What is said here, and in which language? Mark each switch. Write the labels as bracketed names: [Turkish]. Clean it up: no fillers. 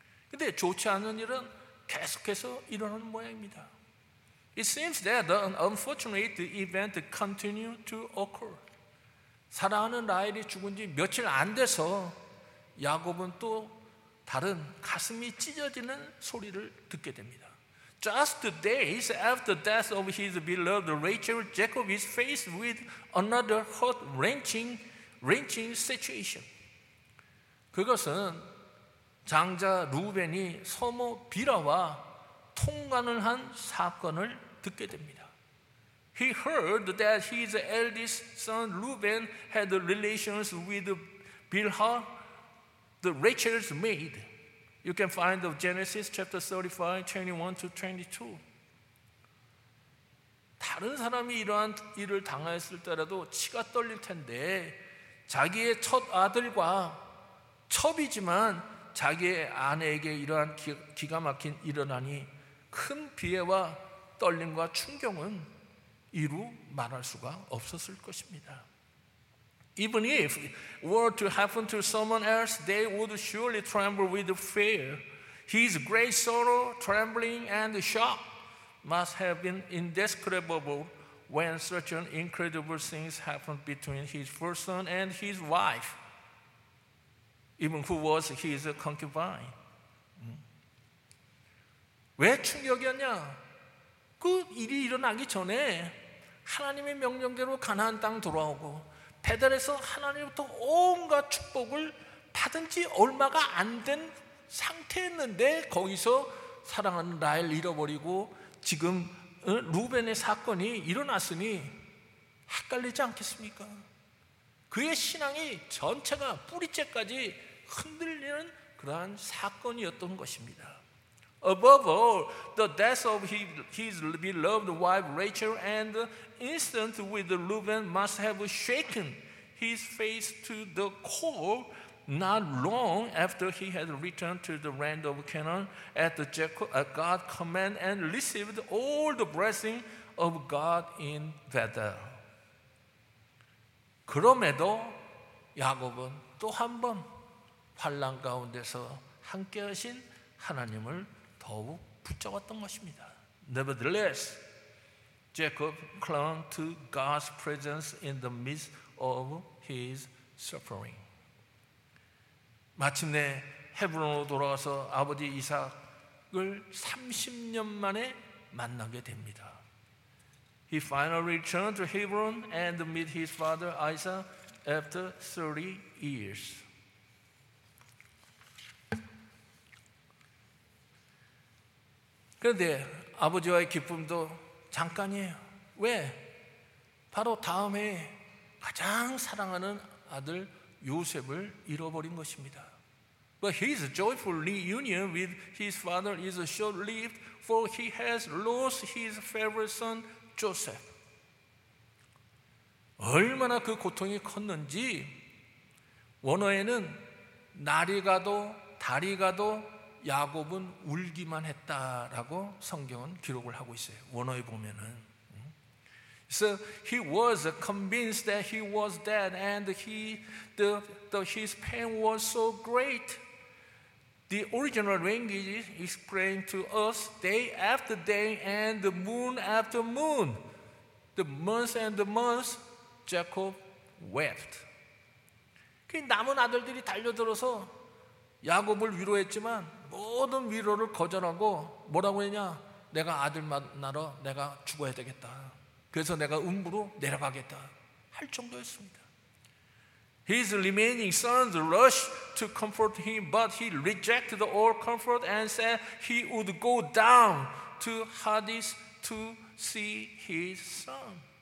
[Korean] 근데 좋지 않은 일은 계속해서 일어나는 모양입니다. [English] It seems that an unfortunate event continued to occur. [Korean] 사랑하는 라헬이 죽은 지 며칠 안 돼서 야곱은 또 다른 가슴이 찢어지는 소리를 듣게 됩니다. [English] Just days after the death of his beloved Rachel, Jacob is faced with another heart-wrenching situation. [Korean] 그것은 장자 루벤이 서모 빌라와 통관을 한 사건을 듣게 됩니다. [English] He heard that his eldest son Reuben had relations with Bilhah, the Rachel's maid. You can find the Genesis chapter 35, 21 to 22. [Korean] 다른 사람이 이러한 일을 당했을 때라도 치가 떨릴 텐데 자기의 첫 아들과 첩이지만 자기의 아내에게 이러한 기가 막힌 일어나니 큰 비애와 떨림과 충격은 이루 말할 수가 없었을 것입니다. [English] Even if it were to happen to someone else, they would surely tremble with fear. His great sorrow, trembling, and shock must have been indescribable when such an incredible things happened between his first son and his wife, even who was his concubine. [Korean] 왜 충격이었냐? 그 일이 일어나기 전에 하나님의 명령대로 가나안 땅 돌아오고 베델에서 하나님부터 온갖 축복을 받은 지 얼마가 안 된 상태였는데 거기서 사랑하는 라헬 잃어버리고 지금 루벤의 사건이 일어났으니 헷갈리지 않겠습니까? 그의 신앙이 전체가 뿌리째까지 흔들리는 그러한 사건이었던 것입니다. [English] Above all, the death of his beloved wife Rachel and the incident with Reuben must have shaken his faith to the core not long after he had returned to the land of Canaan at God's command and received all the blessing of God in Bethel. [Korean] 그럼에도 야곱은 또 한 번 환난 가운데서 함께하신 하나님을 더욱 붙잡았던 것입니다. [English] Nevertheless, Jacob clung to God's presence in the midst of his suffering. [Korean] 마침내 헤브론으로 돌아와서 아버지 이삭을 30년 만에 만나게 됩니다. [English] He finally returned to Hebron and met his father Isaac after 30 years. [Korean] 그런데 아버지와의 기쁨도 잠깐이에요. 왜? 바로 다음에 가장 사랑하는 아들 요셉을 잃어버린 것입니다. [English] But his joyful reunion with his father is short-lived, for he has lost his favorite son, Joseph. [Korean] 얼마나 그 고통이 컸는지 원어에는 날이 가도 달이 가도 야곱은 울기만 했다라고 성경은 기록을 하고 있어요. 원어에 보면은. [English] So he was convinced that he was dead and his pain was so great. The original language explained to us day after day and the moon after moon. The month and the month, Jacob wept. [Korean] 그 남은 아들들이 달려들어서 야곱을 위로했지만 모든 위로를 거절하고 뭐라고 했냐? 내가 아들 만나러 내가 죽어야 되겠다. 그래서 내가 음부로 내려가겠다 할 정도였습니다. [English] His remaining sons rushed to comfort him, but he rejected all comfort and said he would go down to Hades to see his son.